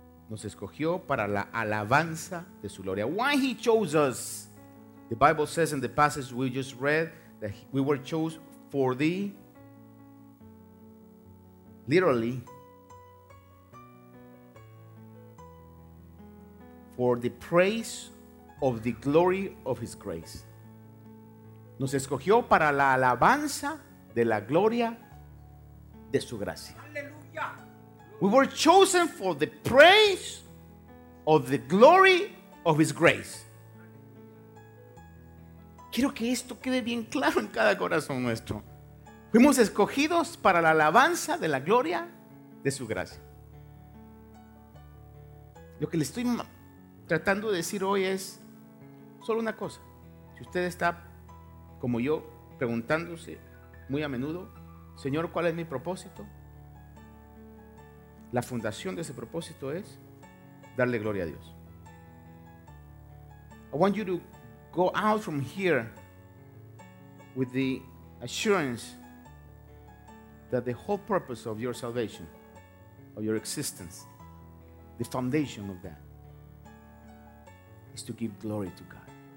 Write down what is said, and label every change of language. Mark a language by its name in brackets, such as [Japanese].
[Spanish] Nos escogió para la alabanza de su gloria. [English] Why he chose us? The Bible says in the passage we just read that we were chosen for the, literally, for the praise of the glory of his grace. [Spanish] Nos escogió para la alabanza de la gloria de su gracia. Aleluya. [English] We were chosen for the praise of the glory of his grace. [Spanish] Quiero que esto quede bien claro en cada corazón nuestro. Fuimos escogidos para la alabanza de la gloria de su gracia. Lo que le estoy tratando de decir hoy es solo una cosa. Si usted está como yo preguntándose muy a menudo, Señor, ¿cuál es mi propósito? La fundación de ese propósito es darle gloria a Dios. [English] I want you to go out from here with the assurance that the whole purpose of your salvation, of your existence, the foundation of that, is to give glory to God.